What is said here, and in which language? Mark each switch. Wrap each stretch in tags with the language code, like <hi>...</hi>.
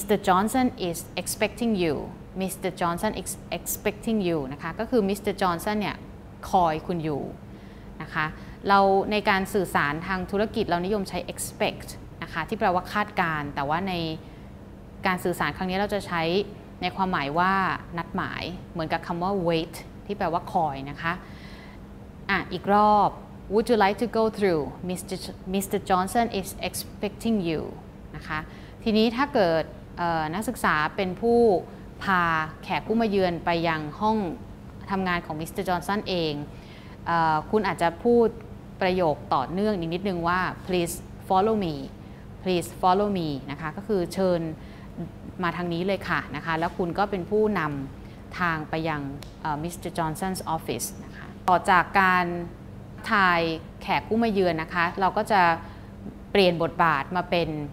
<en>Johnson is expecting you. Mr. Johnson is expecting you.</en> <th>นะคะก็คือ Mr. Johnson เนี่ยคอยคุณอยู่นะคะเราในการสื่อสารทางธุรกิจเรานิยมใช้ expect นะคะที่แปลว่าคาดการแต่ว่าในการสื่อสารครั้งนี้เราจะใช้ในความหมายว่านัดหมายเหมือนกับคำว่า wait ที่แปลว่าคอยนะคะอีกรอบ</th> <en>Would you like to go through? Mr. Johnson is expecting you.</en> <th>นะคะทีนี้ถ้าเกิดนักศึกษาเป็นผู้พาแขกผู้มาเยือนไปยังห้องทำงานของมิสเตอร์จอห์นสันเองคุณอาจจะพูดประโยคต่อเนื่องนิดนึงว่า</th> <en>please follow me</en> <th>นะคะก็คือเชิญมาทางนี้เลยค่ะนะคะแล้วคุณก็เป็นผู้นำทางไปยังมิสเตอร์จอห์นสันส์ออฟฟิศนะคะต่อจากการทายแขกผู้มาเยือนนะคะเราก็จะเปลี่ยนบทบาทมาเป็น</th>